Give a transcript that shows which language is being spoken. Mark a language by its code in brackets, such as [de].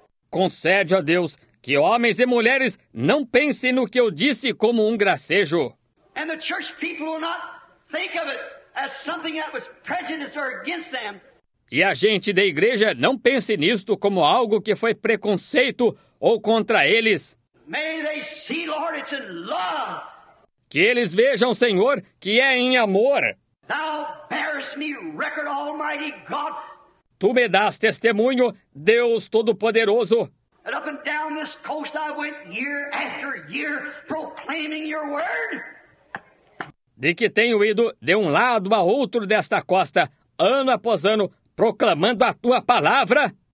[pt] Concede, ó Deus, que homens e mulheres não pensem no que eu disse como um gracejo. [en] And the church people will not think of it as something that was prejudice or against them. [pt] E a gente da igreja não pense nisto como algo que foi preconceito ou contra eles. [en] May they see, Lord, it's in love. [pt] Que eles vejam, Senhor, que é em amor. [en] Thou bearest me record, Almighty God. [pt] Tu me das testemunho, Deus Todo-Poderoso. [en] And up and down this coast I went year after year proclaiming your word. [pt] de que tenho ido de um lado a outro desta costa, ano após ano, proclamando a tua palavra.